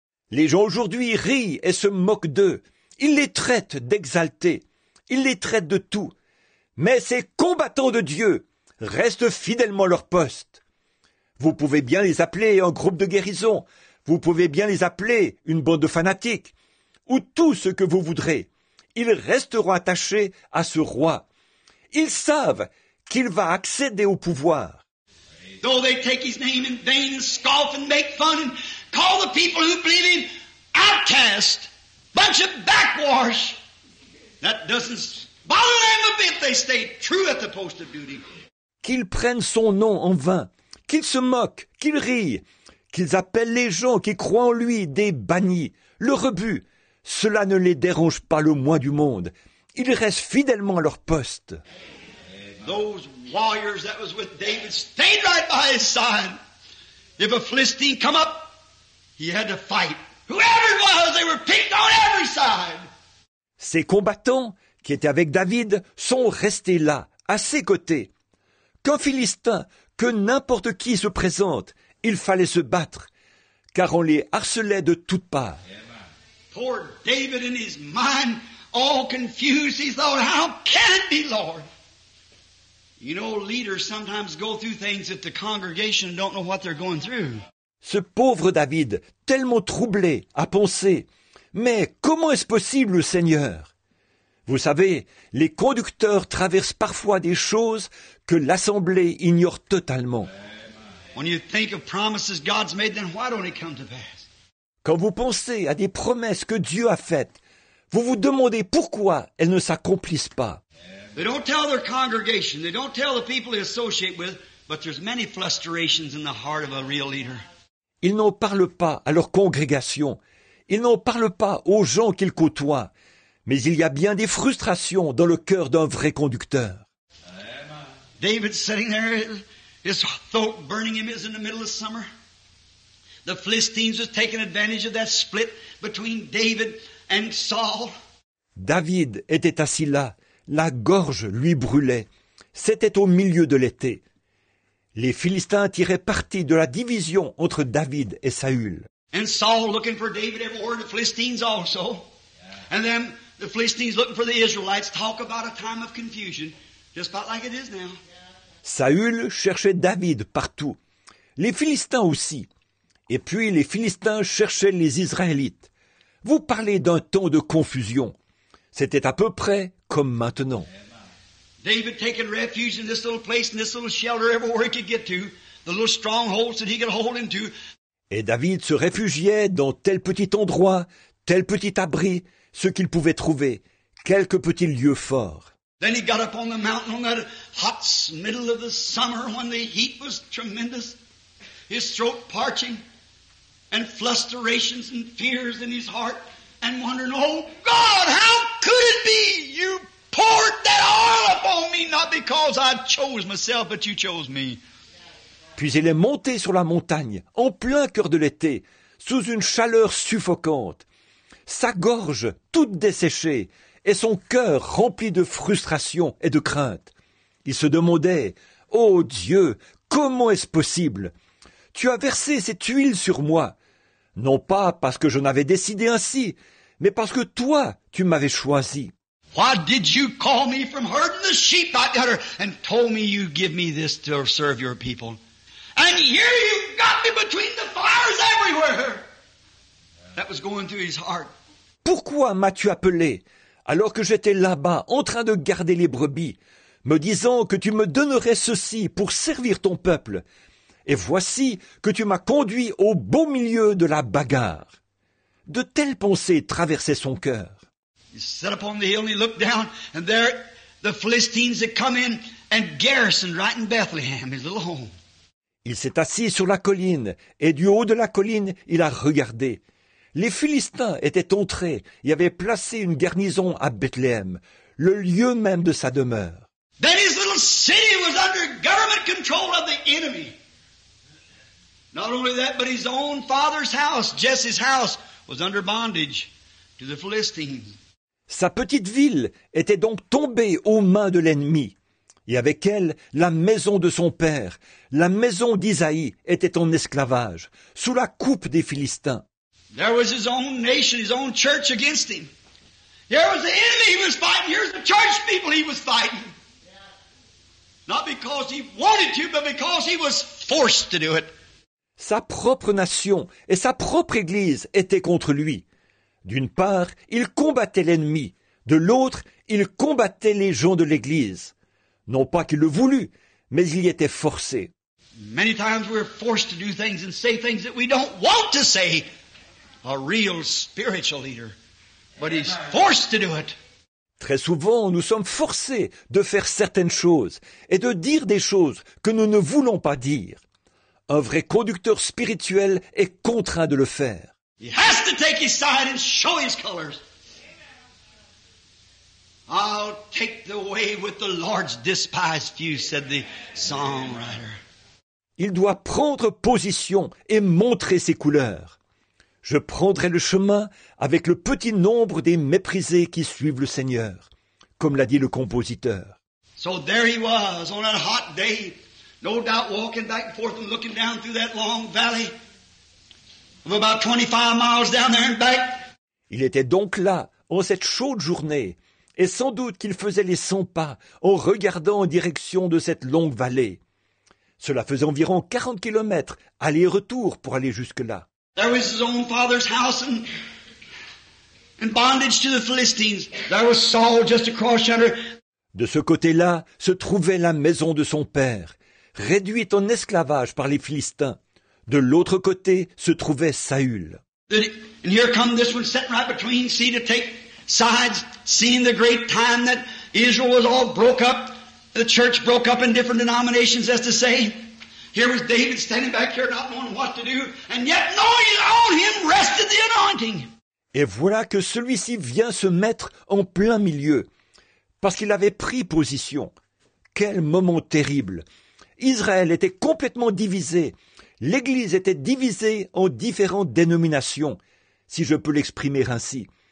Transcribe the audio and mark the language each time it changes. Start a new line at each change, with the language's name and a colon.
French: Les gens aujourd'hui rient et se moquent d'eux. Ils les traitent d'exaltés. Ils les traitent de tout. Mais ces combattants de Dieu restent fidèlement leur poste. Vous pouvez bien les appeler un groupe de guérison. Vous pouvez bien les appeler une bande de fanatiques. Ou tout ce que vous voudrez. Ils resteront attachés à ce roi. Ils savent qu'il va accéder au pouvoir.
English: Though they take his name in vain and scoff and make fun and call the people who believe him outcasts, bunch of backwash, that doesn't bother them a bit. They stay true at the post of duty.
French: Qu'ils prennent son nom en vain. Qu'ils se moquent, qu'ils rient, qu'ils appellent les gens qui croient en lui des bannis, le rebut. Cela ne les dérange pas le moins du monde. Ils restent fidèlement à leur poste.
English: Those warriors that was with David stayed right by his side. If a Philistine come up, he had to fight. Whoever it was, they were picked on every side.
French: Ces combattants qui étaient avec David sont restés là, à ses côtés. Qu'un Philistin, que n'importe qui se présente, il fallait se battre, car on les harcelait de toutes parts.
English: Poor David in his mind, all confused, he thought, how can it be, Lord? You know, leaders sometimes go through things that the congregation don't know what they're going through.
French: Ce pauvre David, tellement troublé, a pensé, mais comment est-ce possible, Seigneur? Vous savez, les conducteurs traversent parfois des choses que l'assemblée ignore totalement.
English: When you think of promises God's made, then why don't it come to pass?
French: Quand vous pensez à des promesses que Dieu a faites, vous vous demandez pourquoi elles ne s'accomplissent pas.
English: They don't tell their congregation, they don't tell the people they associate with, but there's many frustrations in the heart of a real leader.
French: Ils n'en parlent pas à leur congrégation, ils n'en parlent pas aux gens qu'ils côtoient, mais il y a bien des frustrations dans le cœur d'un vrai conducteur.
English: David sitting there, his throat burning him is in the middle of summer. The Philistines were taking advantage of that split between David and Saul.
French: David était assis là, la gorge lui brûlait. C'était au milieu de l'été. Les Philistins tiraient parti de la division entre David et Saül.
English: And Saul looking for David everywhere, the Philistines also. And then the Philistines looking for the Israelites. Talk about a time of confusion, just about like it is now.
French: Saül cherchait David partout. Les Philistins aussi. Et puis les Philistins cherchaient les Israélites. Vous parlez d'un temps de confusion. C'était à peu près comme maintenant.
English: David taking refuge in this little place, in this little shelter, everywhere he could get to, the little strongholds that he could hold into.
French: Et David se réfugiait dans tel petit endroit, tel petit abri, ce qu'il pouvait trouver, quelques petits lieux forts.
English: Then he got up on the mountain on that hot middle of the summer when the heat was tremendous, his throat parching, and frustrations and fears in his heart, and wondering, oh God, how could it be you poured that oil upon me, not because I chose myself, but you chose me.
French: Puis il est monté sur la montagne, en plein cœur de l'été, sous une chaleur suffocante, sa gorge toute desséchée et son cœur rempli de frustration et de crainte. Il se demandait, oh Dieu, comment est-ce possible? Tu as versé cette huile sur moi, non pas parce que j'en avais décidé ainsi, mais parce que toi, tu m'avais choisi.
English: Why did you call me from herding the sheep out there and told me you give me this to serve your people? And here you've got me between the fires everywhere. That was going through his heart.
French: Pourquoi m'as-tu appelé alors que j'étais là-bas en train de garder les brebis, me disant que tu me donnerais ceci pour servir ton peuple? Et voici que tu m'as conduit au beau milieu de la bagarre. De telles pensées traversaient son cœur.
English: He sat up on the hill and he looked down, and there the Philistines had come in and garrisoned right in Bethlehem, his little home.
French: Il s'est assis sur la colline, et du haut de la colline, il a regardé. Les Philistins étaient entrés et avaient placé une garnison à Bethlehem, le lieu même de sa demeure.
English: Then his little city was under government control of the enemy. Not only that, but his own father's house, Jesse's house, was under bondage to the Philistines.
French: Sa petite ville était donc tombée aux mains de l'ennemi. Et avec elle, la maison de son père, la maison d'Isaïe, était en esclavage, sous la coupe des Philistins.
English: There was his own nation, his own church against him. Here was the enemy he was fighting, here's the church people he was fighting. Not because he wanted to, but because he was forced to do it.
French: Sa propre nation et sa propre église étaient contre lui. D'une part, il combattait l'ennemi, de l'autre, il combattait les gens de l'Église. Non pas qu'il le voulût, mais il y était forcé.
English: Many times we're forced to do things and say things that we don't want to say. A real spiritual leader, but he's forced to do it.
French: Très souvent, nous sommes forcés de faire certaines choses et de dire des choses que nous ne voulons pas dire. Un vrai conducteur spirituel est contraint de le faire.
English: He has to take his side and show his colors. I'll take the way with the Lord's despised few, said the songwriter.
French: Il doit prendre position et montrer ses couleurs. Je prendrai le chemin avec le petit nombre des méprisés qui suivent le Seigneur, comme l'a dit le compositeur.
English: So there he was on a hot day, no doubt walking back and forth and looking down through that long valley of about 25 miles down there and back.
French: Il était donc là, en cette chaude journée, et sans doute qu'il faisait les 100 pas en regardant en direction de cette longue vallée. Cela faisait environ 40 kilomètres, aller-retour, pour aller jusque-là.
English: There was his own father's house in bondage to the Philistines. There was Saul just across yonder.
French: De ce côté-là se trouvait la maison de son père, réduite en esclavage par les Philistins. De l'autre côté se trouvait Saül.
English: And here comes this one sitting right between, see, to take sides, seeing the great time that Israel was all broke up, the church broke up in different denominations, as to say. Here was David standing back here not knowing what to do, and yet knowing on him rested the anointing.
French: Et voilà que celui-ci vient se mettre en plein milieu, parce qu'il avait pris position. Quel moment terrible! Israël était complètement divisé. L'Église était divisée en différentes dénominations, si je peux l'exprimer ainsi.